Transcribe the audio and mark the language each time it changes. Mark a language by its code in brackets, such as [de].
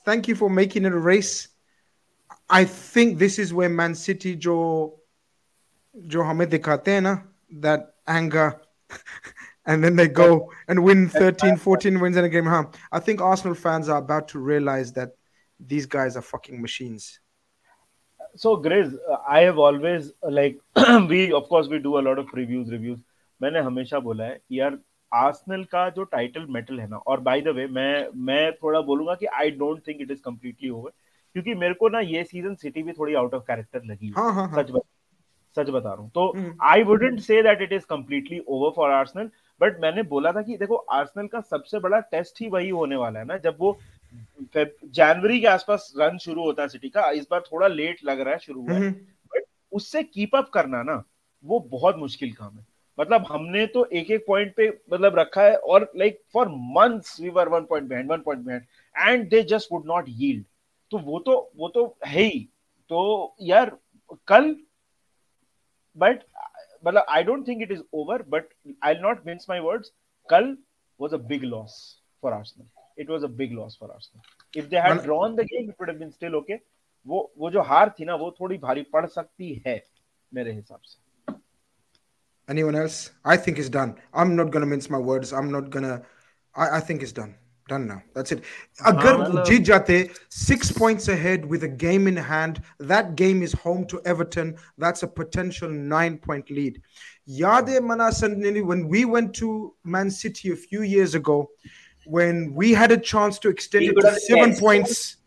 [en] Thank you for making it a race. I think this is where Man City [hi] जो हमें दिखाते हैं ना, [en] that anger. And then they go and win 13-14 wins in a game. Huh? I think Arsenal fans are about to realize that these guys are fucking machines. So, Grizz, I have always, like, we do a lot of previews, reviews. [hi] मैंने हमेशा बोला है कि यार Arsenal का जो title metal है ना, और by the way, मैं थोड़ा बोलूँगा कि [en] I don't think it is completely over, [hi] क्योंकि मेरे को ना ये season City भी थोड़ी out of character लगी, सच बता रहा हूँ, [en] तो I wouldn't say that it is completely over for Arsenal, [hi] but मैंने बोला था कि देखो आर्सेनल का सबसे बड़ा टेस्ट ही वही होने वाला है ना, जब वो जनवरी के आसपास रन शुरू होता है सिटी का, इस बार थोड़ा लेट लग रहा है शुरू हुआ, बट उससे कीप अप करना ना वो बहुत मुश्किल काम है. मतलब हमने तो एक एक पॉइंट पे मतलब रखा है और [en] Like for months we were one point behind and they just would not yield. [hi] तो वो तो है ही. तो यार कल, [en] But मतलब I don't think it is over, but I will not mince my words, कल was a big loss for Arsenal. It was a big loss for Arsenal. If they had drawn the game it would have been still okay. [hi] वो जो हार थी ना वो थोड़ी भारी पड़ सकती है मेरे हिसाब से. [en] Anyone else? I think it's done. I'm not going to mince my words. I'm not going to... I think it's done. Done now. That's it. [hi] Agar jeet jate, [en] 6 points ahead with a game in hand. That game is home to Everton. That's a potential 9-point lead. [hi] Yaad hai [en] mana sandini, when we went to Man City a few years ago, when we had a chance to extend it to 7 points...